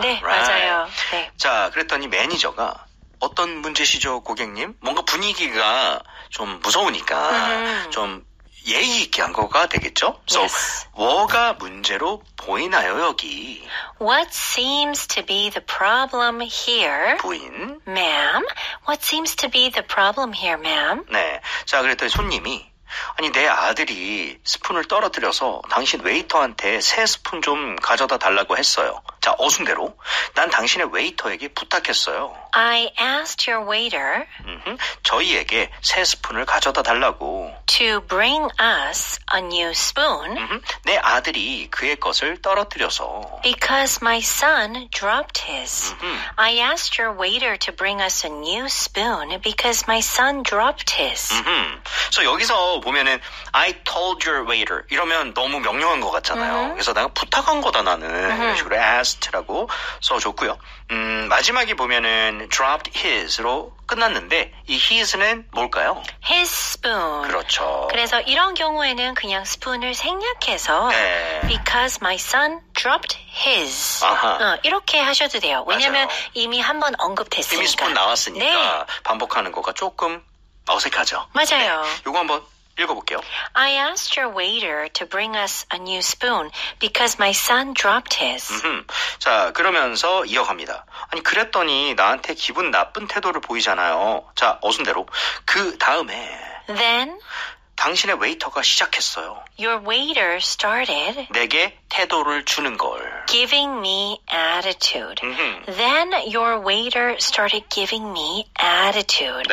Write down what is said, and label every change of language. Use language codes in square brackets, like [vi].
[ko] 네, [en] right. [ko] 맞아요. 네. 자, 그랬더니 매니저가 어떤 문제시죠, 고객님? 뭔가 분위기가 좀 무서우니까 좀 예의 있게 한 거가 되겠죠? [en] So, yes. [ko] 뭐가 문제로 보이나요, 여기? [en] What seems to be the problem here? [ko] 부인. [en] Ma'am, what seems to be the problem here, ma'am? [ko] 네, 자, 그랬더니 손님이 아니 내 아들이 스푼을 떨어뜨려서 당신 웨이터한테 새 스푼 좀 가져다 달라고 했어요. 자, 어순대로 난 당신의 웨이터에게 부탁했어요. [en] I asked your waiter. [ko] 저희에게 새 스푼을 가져다 달라고. [en] To bring us a new spoon. [ko] 내 아들이 그의 것을 떨어뜨려서. [en] Because my son dropped his. I asked your waiter to bring us a new spoon because my son dropped his. [ko] So 여기서 보면은 [en] I told your waiter [ko] 이러면 너무 명령한 것 같잖아요. 그래서 내가 부탁한 거다 나는 이런 식으로 asked라고 써줬고요. 마지막에 보면은 [en] dropped his [ko] 로 끝났는데 이 his는 뭘까요? [en] His spoon. [ko] 그렇죠. 그래서 이런 경우에는 그냥 스푼을 생략해서 네. [en] because my son dropped his. [ko] 이렇게 하셔도 돼요. 왜냐하면 이미 한번 언급됐으니까. 이미 스푼 나왔으니까 네. 반복하는 거가 조금 어색하죠? 맞아요. 네, 이거 한번 읽어볼게요. [en] I asked your waiter to bring us a new spoon because my son dropped his. [ko] 자, 그러면서 이어갑니다. 아니, 그랬더니 나한테 기분 나쁜 태도를 보이잖아요. 자, 어순대로. 그 다음에. [en] Then. [ko] 당신의 웨이터가 시작했어요. [en] Your waiter started. [ko] 내게 태도를 주는 걸. [en] Giving me attitude. Then your waiter started giving me attitude.